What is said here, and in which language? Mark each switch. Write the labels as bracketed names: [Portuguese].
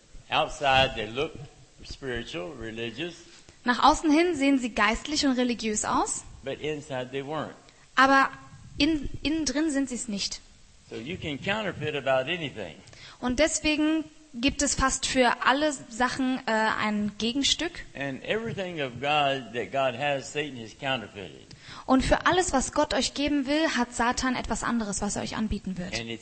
[English] Outside they look spiritual, religious. [German] Nach außen hin sehen sie geistlich und religiös aus. [English] But inside they weren't. [German] Aber innen drin sind sie es nicht. [English] So you can counterfeit about anything. [German] Und deswegen gibt es fast für alle Sachen ein Gegenstück. [English] And everything of God that God has, Satan has counterfeited. [German] Und für alles, was Gott euch geben will, hat Satan etwas anderes, was er euch anbieten wird.